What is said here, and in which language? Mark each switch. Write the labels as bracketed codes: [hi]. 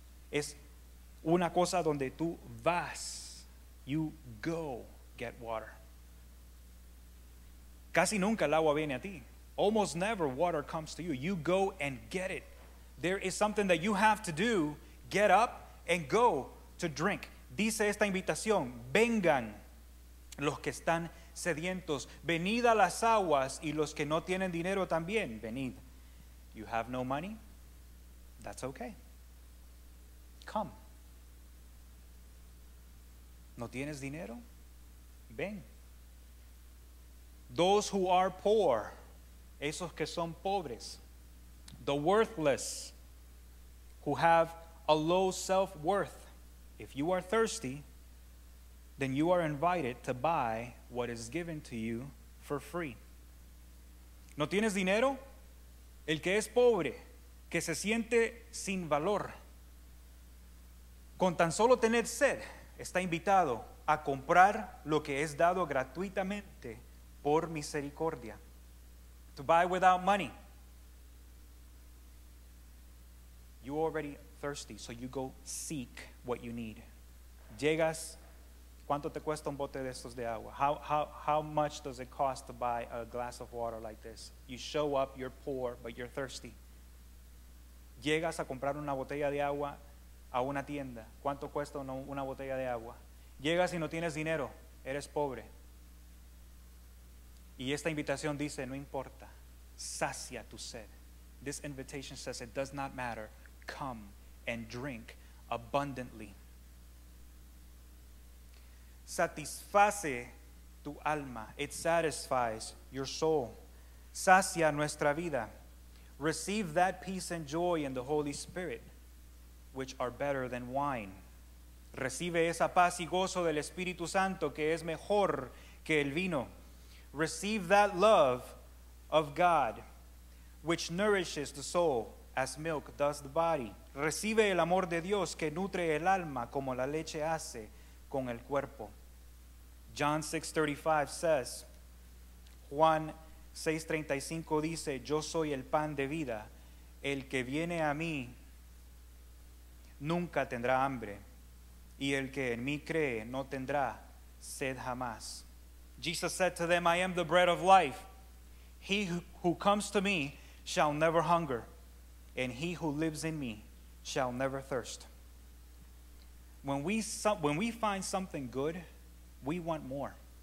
[es] Es una cosa donde tú vas. [en] You go get water. [es] Casi nunca el agua viene a ti. [en] Almost never water comes to you. You go and get it. There is something that you have to do. Get up and go to drink. [es] Dice esta invitación, vengan los que están sedientos, venid a las aguas, y los que no tienen dinero también, venid. [en] You have no money? That's okay. Come. [es] ¿No tienes dinero? Ven. [en] Those who are poor, [es] esos que son pobres, [en] the worthless, who have a low self-worth, if you are thirsty, then you are invited to buy what is given to you for free. [es] ¿No tienes dinero? El que es pobre, que se siente sin valor, con tan solo tener sed, está invitado a comprar lo que es dado gratuitamente por misericordia. [en] To buy without money. You are already thirsty, so you go seek what you need. [es] Llegas, ¿cuánto te cuesta un bote de estos de agua? [en] How much does it cost to buy a glass of water like this? You show up, you're poor, but you're thirsty. [es] Llegas a comprar una botella de agua a una tienda. ¿Cuánto cuesta una botella de agua? Llegas y no tienes dinero, eres pobre. Y esta invitación dice, no importa, sacia tu sed. [en] This invitation says, it does not matter, come and drink abundantly. [es] Satisface tu alma. [en] It satisfies your soul. [es] Sacia nuestra vida. [en] Receive that peace and joy in the Holy Spirit, which are better than wine. [es] Recibe esa paz y gozo del Espíritu Santo que es mejor que el vino. [en] Receive that love of God, which nourishes the soul as milk does the body. [es] Recibe el amor de Dios que nutre el alma como la leche hace con el cuerpo. [en] John 6:35 says, [es] Juan 6:35 dice, yo soy el pan de vida. El que viene a mí nunca tendrá hambre. Y el que en mí cree no tendrá sed jamás. [en] Jesus said to them, I am the bread of life. He who comes to me shall never hunger, and he who lives in me shall never thirst. When we find something good, we want more.